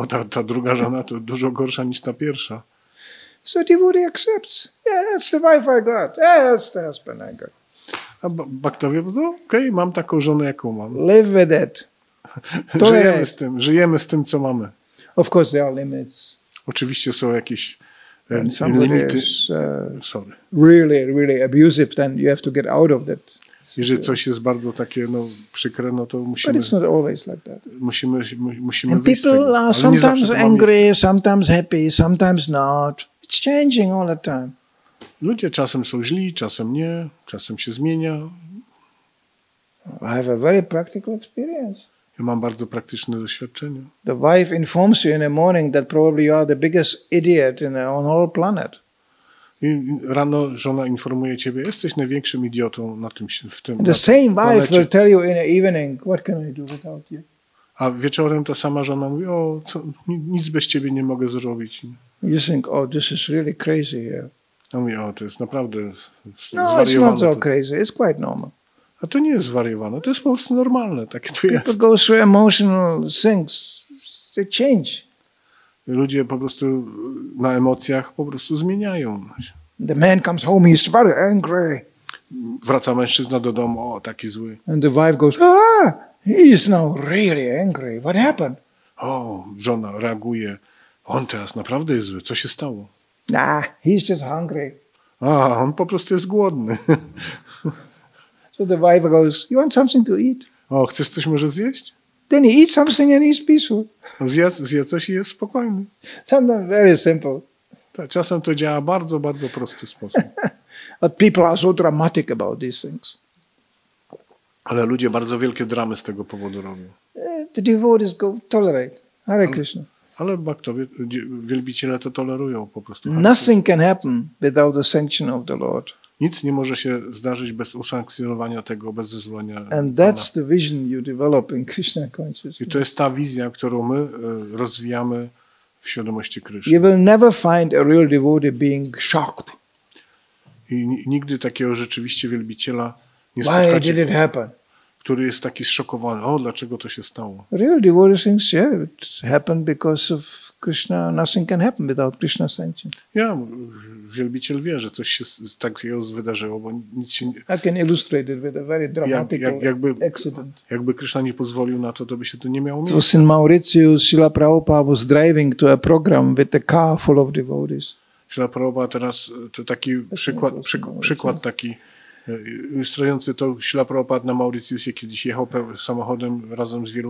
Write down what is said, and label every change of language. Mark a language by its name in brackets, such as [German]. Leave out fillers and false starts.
[Polish] Ta druga żona to dużo gorsza niż ta pierwsza. [English] So devotee accepts. Yeah, that's the wife I got. Yeah, that's the husband I got. [Polish] A Bhaktowie, no okej, mam taką żonę, jaką mam. [English] Live with it. [Polish] Żyjemy z tym, co mamy. [English] Of course there are limits. [Polish] Oczywiście są jakieś limity. [English] Sorry. Really, really abusive, then you have to get out of that. [Polish] Jeżeli coś jest bardzo takie przykre, no to musimy. [English] But it's not always like that. [Polish] Musimy [English] and people are sometimes angry, sometimes happy, sometimes not. It's changing all the time. [Polish] Ludzie czasem są źli, czasem nie, czasem się zmienia. [English] I have a very practical experience. [Polish] Ja mam bardzo praktyczne doświadczenie. [English] The wife informs you in the morning that probably you are the biggest idiot in on whole planet. [Polish] I rano żona informuje ciebie, jesteś największym idiotą na tym świecie. [English] The same wife will tell you in the evening, what can I do without you? [Polish] A wieczorem ta sama żona mówi, nic bez ciebie nie mogę zrobić. [English] You think, this is really crazy here. [Polish] A mówię, to jest naprawdę zwariowane. [English] No, it's not so crazy, it's quite normal. [Polish] A to nie jest zwariowane, to jest po prostu normalne. Tak to [English] people [Polish] jest. [English] Go through emotional things, they change. [Polish] Ludzie po prostu na emocjach po prostu zmieniają. [English] The man comes home, he's very angry. [Polish] Wraca mężczyzna do domu, taki zły. [English] And the wife goes, he's now really angry, what happened? [Polish] Żona reaguje, on teraz naprawdę jest zły, co się stało? [English] Nah, he's just hungry. [Polish] On po prostu jest głodny. [English] So the wife goes, you want something to eat? [Polish] Chcesz coś może zjeść? [English] Then he eats something and he's peaceful. [Polish] Zje coś i jest spokojny. [English] Sometimes very simple. [Polish] Czasem to działa bardzo, bardzo prosty sposób. [English] But people are so dramatic about these things. [Polish] Ale ludzie bardzo wielkie dramy z tego powodu robią. [English] The devotees go tolerate. Hare Krishna. [Polish] Ale bhaktowie, wielbiciele to tolerują po prostu. [English] Nothing can happen without the sanction of the Lord. [Polish] Nic nie może się zdarzyć bez usankcjonowania tego, bez zezwolenia. [English] And that's the vision you develop in Krishna consciousness. [Polish] I to jest ta wizja, którą my rozwijamy w świadomości Krishna. [English] You will never find a real devotee being shocked. [Polish] I nigdy takiego rzeczywiście wielbiciela nie spotkacie. [English] Why did it happen? [Polish] Który jest taki zszokowany. Dlaczego to się stało? [English] Real devotee thinks, it happened because of Krishna. Nothing can happen without Krishna sanction. [Polish] Ja, wielbiciel wie, że coś się tak wydarzyło, bo nic się nie... [English] I can illustrate it with a very dramatic accident. [Polish] Jakby Krishna nie pozwolił na to, to by się to nie miało miejsca. [English] So in Mauritius, Srila Prabhupada was driving to a program with a car full of devotees. [Polish] Srila Prabhupada teraz, to taki przykład taki, ilustrujący to, Srila Prabhupada na Mauritiusie kiedyś jechał samochodem razem z wielu